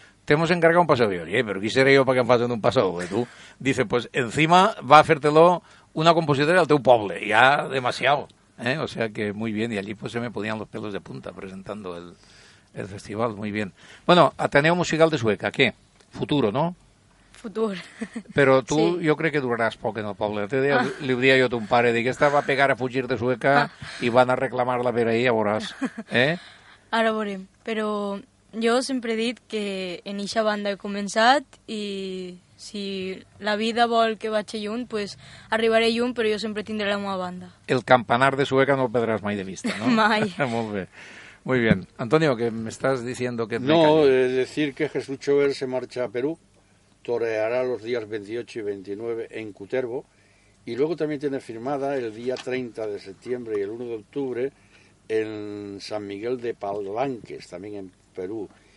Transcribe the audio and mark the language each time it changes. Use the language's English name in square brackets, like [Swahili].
[Spanish] te hemos encargado un paso de oye, pero quisiera yo para que me pasen un paso de tú. Dice, pues encima va a hacértelo una compositora [Catalan] del teu poble, [Spanish] ya demasiado. O sea que muy bien, y allí pues se me ponían los pelos de punta presentando el festival, muy bien. Bueno, Ateneo Musical de Sueca, ¿qué? Futuro, ¿no? [Catalan] Futur. Però tu, sí. Jo crec que duraràs poc en el poble. Te deia, li ho deia jo a ton pare, dic, esta va a pegar a fugir de Sueca i van a reclamar-la per ahir, ja veuràs. Ara veurem. Però jo sempre he dit que en eixa banda he començat i si la vida vol que vaig lluny, pues arribaré lluny, però jo sempre tindré la meva banda. El campanar de Sueca no el perdràs mai de vista, no? Mai. Molt bé. [Spanish] Muy bien. [Catalan] Antonio, que me estàs dient que... [Spanish] No, decir que Jesús Chover se marcha a Perú. Toreará los días 28 y 29 en Cutervo y luego también tiene firmada el día 30 de septiembre y el 1 de octubre en San Miguel de Palanques, también en Perú.